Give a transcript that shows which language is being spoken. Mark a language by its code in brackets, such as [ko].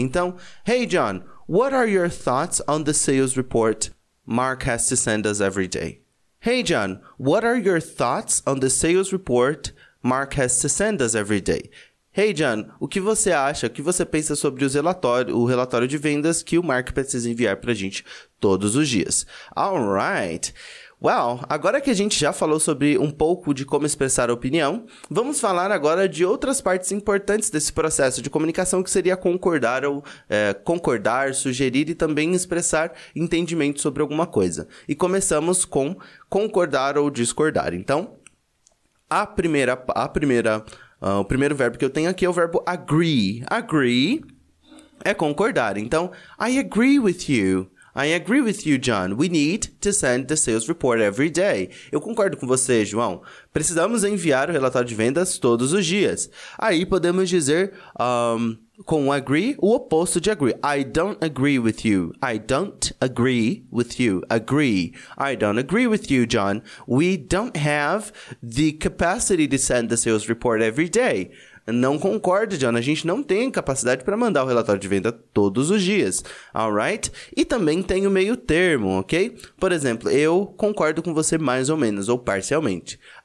[en] Então, hey John, what are your thoughts on the sales report Mark has to send us every day? Hey John, what are your thoughts on the sales report Mark has to send us every day. [pt] Hey, John, o que você acha, o que você pensa sobre o relatório de vendas que o Mark precisa enviar para a gente todos os dias? All right. Well, agora que a gente já falou sobre um pouco de como expressar a opinião, vamos falar agora de outras partes importantes desse processo de comunicação, que seria concordar ou concordar, sugerir e também expressar entendimento sobre alguma coisa. E começamos com concordar ou discordar. Então, o primeiro verbo que eu tenho aqui é o verbo agree. [en] Agree [pt] é concordar. Então, [en] I agree with you. I agree with you, John. We need to send the sales report every day. [pt] Eu concordo com você, João. Precisamos enviar o relatório de vendas todos os dias. Aí podemos dizer com agree, o oposto de agree. [en] I don't agree with you. I don't agree with you. Agree. I don't agree with you, John. We don't have the capacity to send the sales report every day. [pt] Não concordo, John. A gente não tem capacidade para mandar o relatório de venda todos os dias. Alright? E também tem o meio termo, ok? Por exemplo, eu concordo com você mais ou menos, ou parcialmente.